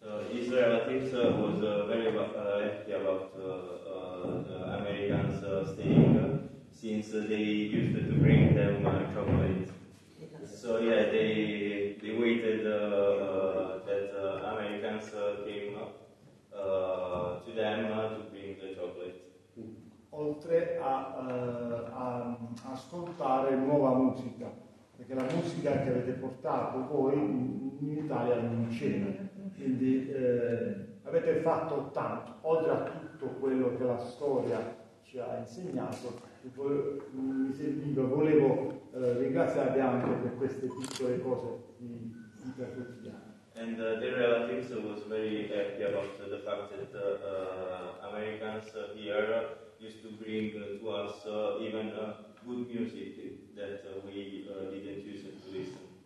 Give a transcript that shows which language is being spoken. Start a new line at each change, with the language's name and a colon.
English: his relatives was very happy about Americans staying since they used to bring them chocolates. So yeah, they waited that Americans came to them to bring the chocolate.
Italian: Oltre a, a ascoltare nuova musica, perché la musica che avete portato voi in Italia non c'era, quindi avete fatto tanto, oltre a tutto quello che la storia ci ha insegnato, mi serviva, volevo ringraziarvi anche per queste piccole cose di quotidiano.
English: And their relatives was very happy about the fact that Americans here used to bring to us even good music that we didn't use to listen.